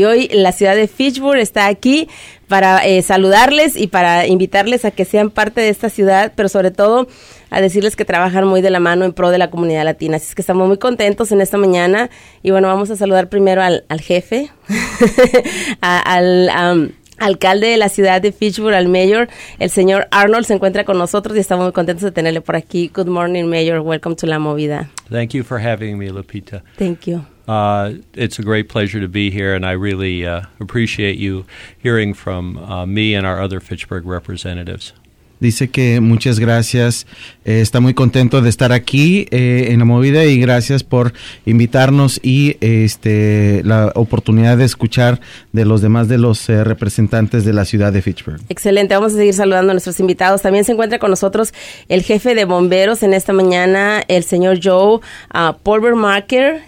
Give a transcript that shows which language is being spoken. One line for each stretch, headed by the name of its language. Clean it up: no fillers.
Spanish: Y hoy la ciudad de Fitchburg está aquí para saludarles y para invitarles a que sean parte de esta ciudad, pero sobre todo a decirles que trabajan muy de la mano en pro de la comunidad latina. Así es que estamos muy contentos en esta mañana. Y bueno, vamos a saludar primero al jefe, al alcalde de la ciudad de Fitchburg, al mayor, el señor Arnold, se encuentra con nosotros y estamos muy contentos de tenerle por aquí.
English: Good morning, mayor. Welcome to La Movida. Thank you for having me, Lupita. Thank you. It's a great pleasure to be here, and I really appreciate you hearing from me and our other Fitchburg representatives.
Spanish: Dice que muchas gracias, está muy contento de estar aquí en La Movida y gracias por invitarnos y la oportunidad de escuchar de los demás de los representantes de la ciudad de Fitchburg. Excelente, vamos a seguir saludando a nuestros invitados. También se encuentra con nosotros el jefe de bomberos en esta mañana, el señor Joe Polvermarker.